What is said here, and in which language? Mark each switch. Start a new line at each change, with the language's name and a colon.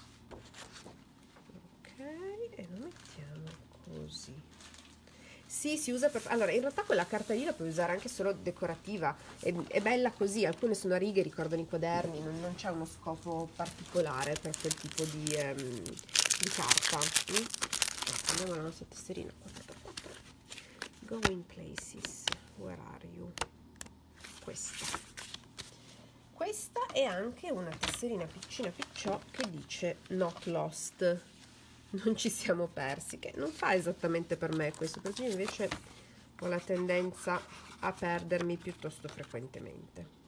Italian: Ok, e lo mettiamo così. Sì, si usa per... Allora, in realtà quella carta lì la puoi usare anche solo decorativa. È bella così, alcune sono a righe, ricordano i quaderni, non c'è uno scopo particolare per quel tipo di carta. Andiamo alla nostra tesserina. 4x4.
English: Going Places, where are you?
Italian: Questa. Questa è anche una tesserina piccina picciò che dice Not Lost. Non ci siamo persi, che non fa esattamente per me questo, perché invece ho la tendenza a perdermi piuttosto frequentemente.